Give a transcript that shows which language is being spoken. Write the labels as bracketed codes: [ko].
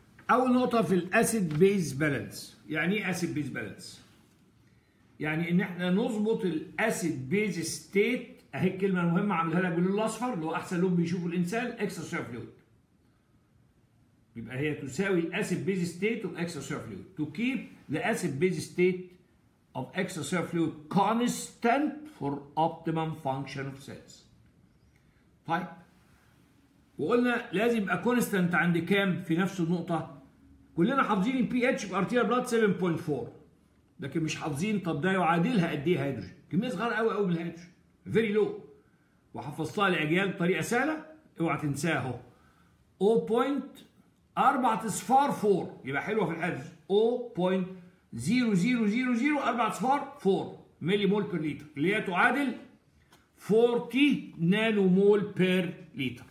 [ar] أول نقطة في الأسيد بيز بالانس. يعني إيه أسيد بيز بالانس؟ يعني إن إحنا نظبط الأسيد بيز ستيت. أهي الكلمة المهمة عاملها لك باللون الأصفر اللي هو أحسن لون بيشوفه الإنسان، إكسترا سيلولار فلويد. يبقى هي تساوي الأسيد بيز ستيت وإكسترا سيلولار فلويد. [en] To keep the acid base state of extra cellular fluid constant for optimum function of cells. [ar] طيب. وقلنا لازم يبقى كونستانت عند كام في نفس النقطه؟ كلنا حافظين البي اتش في ارتيريال بلاد 7.4، لكن مش حافظين طب ده يعادلها قد ايه هيدروجين. كميه صغيره قوي قوي من الهيدروجين، فيري لو. وحفظتها لاجيال بطريقه سهله، اوعى تنساها اهو 0.4 أصفار 4، يبقى حلوه في الحفظ 0.00004 أصفار 4 ملي مول بير لتر، اللي هي تعادل 40 نانو مول بير لتر.